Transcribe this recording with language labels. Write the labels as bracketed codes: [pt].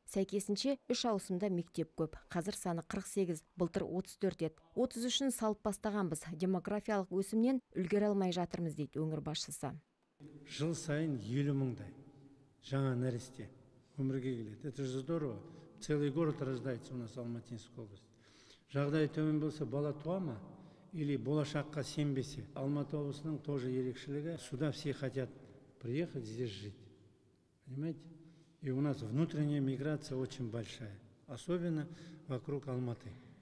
[kk] Сәйкесінше, үш ауысымда мектеп көп. Қазір саны 48, былтыр 34 еді. 33-ін салып бастаған біз. Демографиялық өсімнен үлгер алмай жатырмыз, дейді өңір басшысы. Жыл сайын 50 мыңдай жаңа нәресте өмірге келеді. [ru] Это же здорово. Целый город рождается у нас в Алматинской области. [kk] Жағдай төмен болса, бала туа ма, [ru] или [kk] болашаққа сенбесе. Алматы облысының [ru] тоже [kk] ерекшілігі, [ru] сюда все хотят приехать, здесь жить. Понимаете? И у нас внутренняя миграция очень большая. Особенно вокруг Алматы.